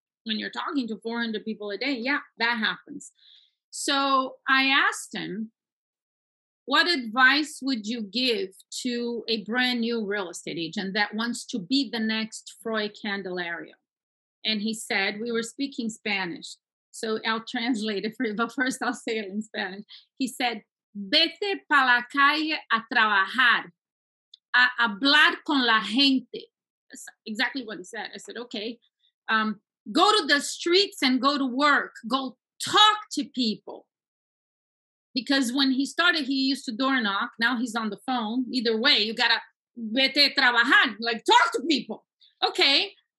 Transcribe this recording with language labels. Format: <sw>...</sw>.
<en>When you're talking to 400 people a day, yeah, that happens. So I asked him, what advice would you give to a brand new real estate agent that wants to be the next Froy Candelario? And he said, we were speaking Spanish, so I'll translate it for you, but first I'll say it in Spanish. He said,</en> <es>vete para la calle a trabajar, a hablar con la gente.</es> <en>That's exactly what he said. I said, okay. Go to the streets and go to work. Go talk to people. Because when he started, he used to door knock. Now he's on the phone. Either way, you gotta</en> <es>vete trabajar,</es> <en>like talk to people. Okay.</en>